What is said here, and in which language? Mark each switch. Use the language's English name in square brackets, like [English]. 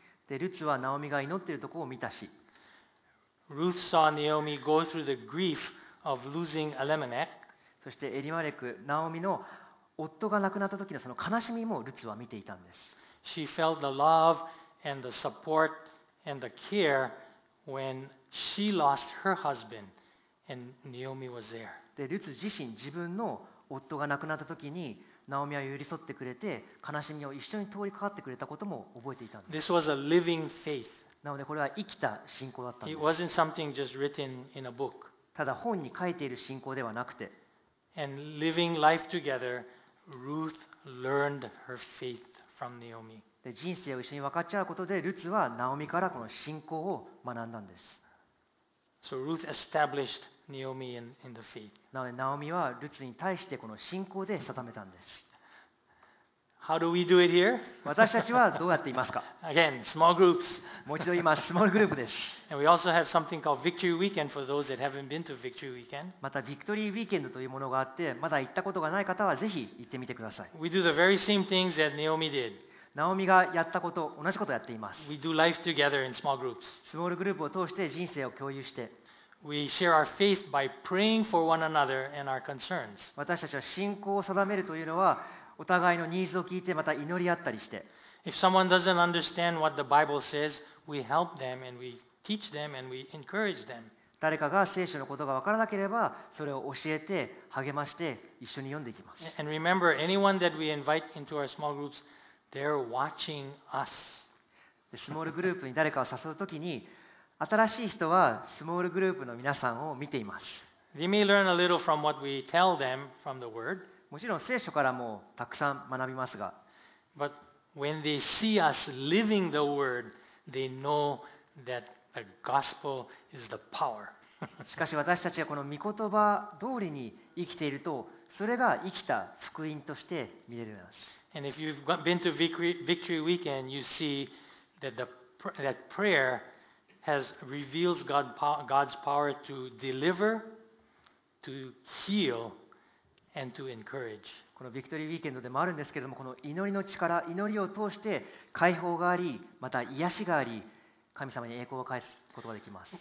[Japanese] で、ルツはナオミが祈っているところを見たし。 [English] Ruth saw Naomi go through the grief of losing Elimelech. [Japanese] そしてエリマレク、ナオミの夫が亡くなった時のその悲しみもルツは見ていたんです。 [English] She felt the love and the support and the care when she lost her husband and Naomi was there. [Japanese] で、ルツ自身、自分の夫が亡くなった時にナオミは寄り添ってくれて、悲しみを一緒に通りかかってくれたことも覚えていたんです。 [English] This was a living faith. [Japanese] なので、これは生きた信仰だったんです。 [English] It wasn't something just written in a book. [Japanese] ただ本に書いている信仰ではなくて。 [English] And living life together, Ruth learned her faith from Naomi. [Japanese] で、人生を一緒に分かち合うことで、ルツはナオミからこの信仰を学んだんです。 [English] So Ruth establishedNaomi in the faith. [Japanese] なので、ナオミはルツに対してこの信仰で定めたんです。 [English] How do we do it here? [Japanese] 私たちはどうやっていますか? [English] Again, small groups. [Japanese] もう一度言います。スモールグループです。 [English] And we also have something called Victory Weekend for those that haven't been to Victory Weekend. [Japanese] また、ビクトリーウィーケンドというものがあって、まだ行ったことがない方はぜひ行ってみてください。 [English] We do the very same things that Naomi did. [Japanese] ナオミがやったこと、同じことをやっています。 [English] We do life together in small groups. [Japanese] スモールグループを通して人生を共有して。 [English] We share our faith by praying for one another and our concerns. [Japanese] 私たちは信仰を定めるというのは、お互いのニーズを聞いてまた祈り合ったりして。 [English] If someone doesn't understand what the Bible says, we help them and we teach them and we encourage them. [Japanese] 誰かが聖書のことがわからなければ、それを教えて、励まして、一緒に読んでいきます。 [English] And remember, anyone that we invite into our small groups, they're watching us. [Japanese] スモールグループに誰かを誘うときに、新しい人はスモールグループの皆さんを見ています。 [English] They may learn a little from what we tell them from the word. [Japanese] もちろん聖書からもたくさん学びますが。 [English] But when they see us living the word, they know that the gospel is the power. [Japanese] しかし私たちがこの御言葉通りに生きていると、それが生きた福音として見れるようになります。 [English] And if you've been to Victory Weekend, you see that that prayer has reveals God's power to deliver, to heal, and to encourage. [Japanese] このビクトリーウィークエンドでもあるんですけれども、この祈りの力、祈りを通して解放があり、また癒しがあり、神様に栄光を返すことができます。